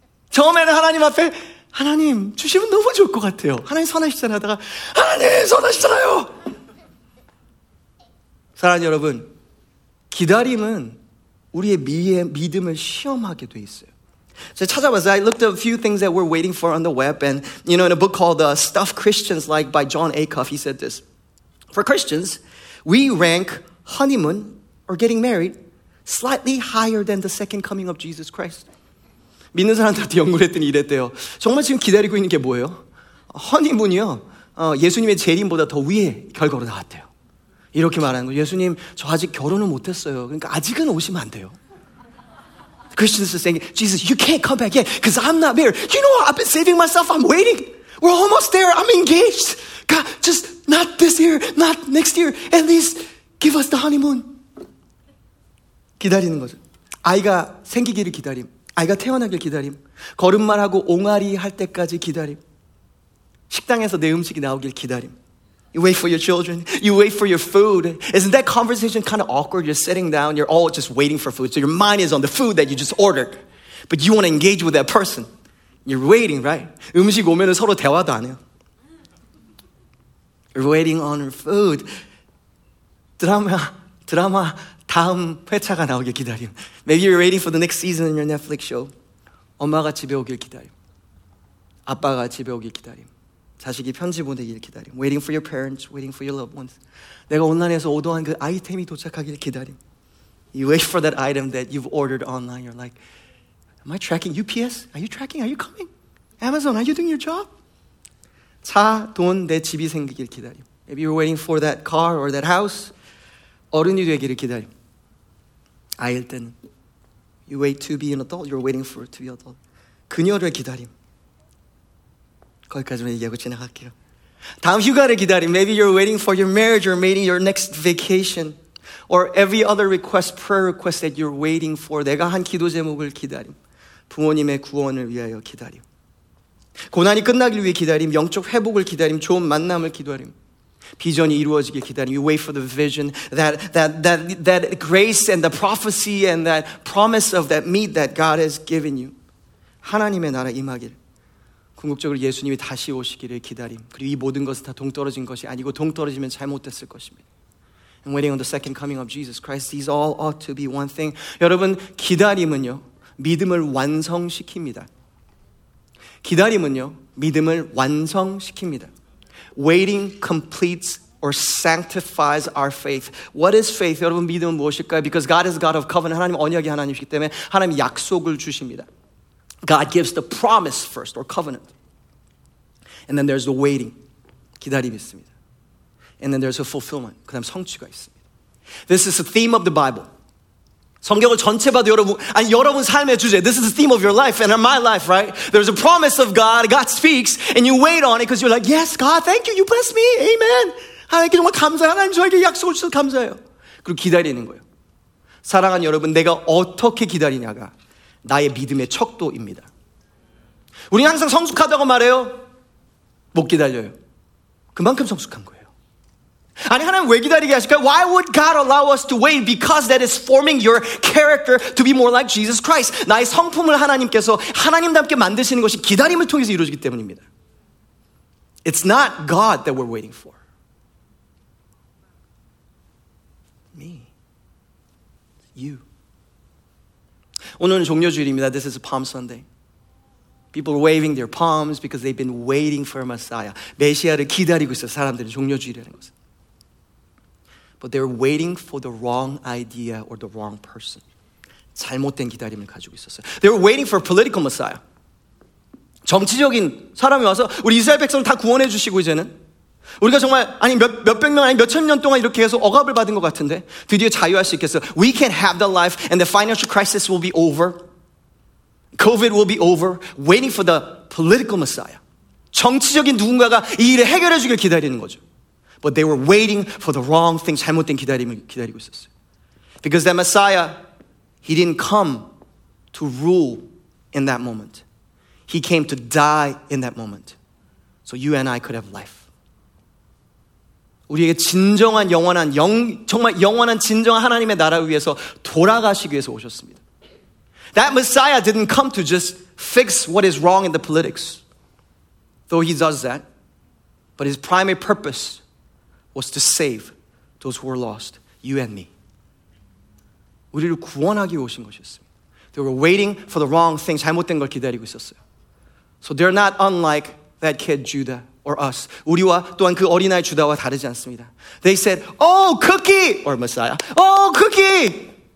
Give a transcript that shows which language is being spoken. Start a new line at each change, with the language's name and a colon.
Korean: 처음에는 하나님 앞에 하나님 주시면 너무 좋을 것 같아요. 하나님 선하시잖아요. 하다가 하나님 선하시잖아요. 사랑하는 여러분, 기다림은 우리의 믿음을 시험하게 돼 있어요. 제가 찾아봤어요.
English: I looked at a few things that we're waiting for on the web, and you know, in a book called "The Stuff Christians Like" by John Acuff, he said this: For Christians, we rank honeymoon or getting married slightly higher than the second coming of Jesus Christ.
Korean: 믿는 사람들한테 연구를 했더니 이랬대요. 정말 지금 기다리고 있는 게 뭐예요? 허니문이요. 예수님의 재림보다 더 위에 결과로 나왔대요. 이렇게 말하는 거예요. 예수님, 저 아직 결혼을 못했어요. 그러니까 아직은 오시면 안 돼요.
English: Christians are saying, Jesus, you can't come back yet because I'm not married. You know what? I've been saving myself. I'm waiting. We're almost there. I'm engaged. God, just not this year, not next year. At least give us the honeymoon.
Korean: 기다리는 거죠. 아이가 생기기를 기다림. 아이가 태어나길 기다림. 걸음마하고 옹알이 할 때까지 기다림. 식당에서 내 음식이 나오길 기다림.
English: You wait for your children. You wait for your food. Isn't that conversation kind of awkward? You're sitting down. You're all just waiting for food. So your mind is on the food that you just ordered. But you want to engage with that person. You're waiting, right?
Korean: 음식 오면은 서로 대화도 안 해요.
English: You're waiting on your food.
Korean: 드라마. 다음 회차가 나오길 기다림.
English: Maybe you're waiting for the next season in your Netflix show.
Korean: 엄마가 집에 오길 기다림. 아빠가 집에 오길 기다림. 자식이 편지 보내길 기다림.
English: Waiting for your parents, waiting for your loved ones.
Korean: 내가 온라인에서 오더한 그 아이템이 도착하길 기다림.
English: You wait for that item that you've ordered online. You're like, am I tracking UPS? Are you tracking? Are you coming? Amazon, are you doing your job?
Korean: 차, 돈, 내 집이 생기길 기다림.
English: Maybe you're waiting for that car or that house.
Korean: 어른이 되기를 기다림. 아이일 때는
English: you wait to be an adult, you're waiting for to be an adult.
Korean: 그녀를 기다림. 거기까지만 얘기하고 지나갈게요. 다음 휴가를 기다림.
English: Maybe you're waiting for your marriage or maybe your next vacation or every other request, prayer request that you're waiting for.
Korean: 내가 한 기도 제목을 기다림. 부모님의 구원을 위하여 기다림. 고난이 끝나길 위해 기다림. 영적 회복을 기다림. 좋은 만남을 기다림. 비전이 이루어지길 기다림.
English: You wait for the vision, that grace and the prophecy and that promise of that meat that God has given you.
Korean: 하나님의 나라 임하길. 궁극적으로 예수님이 다시 오시기를 기다림. 그리고 이 모든 것은 다 동떨어진 것이 아니고 동떨어지면 잘못됐을 것입니다.
English: I'm waiting on the second coming of Jesus Christ. These all ought to be one thing.
Korean: 여러분, 기다림은요, 믿음을 완성시킵니다. 기다림은요, 믿음을 완성시킵니다.
English: Waiting completes or sanctifies our faith. What is faith?
Korean: 여러분 믿음은 무엇일까요?
English: Because God is God of covenant.
Korean: 하나님 언약의 하나님이시기 때문에 하나님 약속을 주십니다.
English: God gives the promise first or covenant. And then there's the waiting.
Korean: 기다림이 있습니다.
English: And then there's a fulfillment.
Korean: 그 다음 성취가 있습니다.
English: This is the theme of the Bible.
Korean: 성경을 전체 봐도 여러분, 아니 여러분 삶의 주제.
English: This is the theme of your life and of my life, right? There's a promise of God. God speaks and you wait on it because you're like, yes, God, thank you. You bless me. Amen.
Korean: 하나님께 정말 감사해요. 하나님 저에게 약속을 주셔서 감사해요. 그리고 기다리는 거예요. 사랑하는 여러분, 내가 어떻게 기다리냐가 나의 믿음의 척도입니다. 우리는 항상 성숙하다고 말해요. 못 기다려요. 그만큼 성숙한 거예요. 아니 하나님 왜 기다리게 하실까요?
English: Why would God allow us to wait? Because that is forming your character to be more like Jesus Christ.
Korean: 나의 성품을 하나님께서 하나님답게 만드시는 것이 기다림을 통해서 이루어지기 때문입니다.
English: It's not God that we're waiting for. Me. You.
Korean: 오늘은 종려주일입니다.
English: This is Palm Sunday. People are waving their palms because they've been waiting for Messiah.
Korean: 메시아를 기다리고 있어요. 사람들은 종려주일이라는 것은.
English: But they're waiting for the wrong idea or the wrong person.
Korean: 잘못된 기다림을 가지고 있었어요.
English: They were waiting for a political Messiah.
Korean: 정치적인 사람이 와서 우리 이스라엘 백성을 다 구원해 주시고 이제는 우리가 정말 아니 몇백 명 아니 몇천 년 동안 이렇게 해서 억압을 받은 것 같은데 드디어 자유할 수 있겠어.
English: We can have the life and the financial crisis will be over. COVID will be over. Waiting for the political messiah.
Korean: 정치적인 누군가가 이 일을 해결해 주길 기다리는 거죠.
English: But they were waiting for the wrong thing.
Korean: 잘못된 기다림을 기다리고 있었어요.
English: Because that messiah, he didn't come to rule in that moment. He came to die in that moment. So you and I could have life.
Korean: 우리에게 진정한 영원한 정말 영원한 진정한 하나님의 나라를 위해서 돌아가시기 위해서 오셨습니다.
English: That Messiah didn't come to just fix what is wrong in the politics. Though he does that. But his primary purpose was to save those who were lost. You and me.
Korean: 우리를 구원하기 위해 오신 것이었습니다.
English: They were waiting for the wrong thing.
Korean: 잘못된 걸 기다리고 있었어요.
English: So they're not unlike that kid Judah. Or us.
Korean: 우리와 또한 그 어린아이 주다와 다르지 않습니다.
English: They said, Oh, cookie! Or Messiah. Oh, cookie!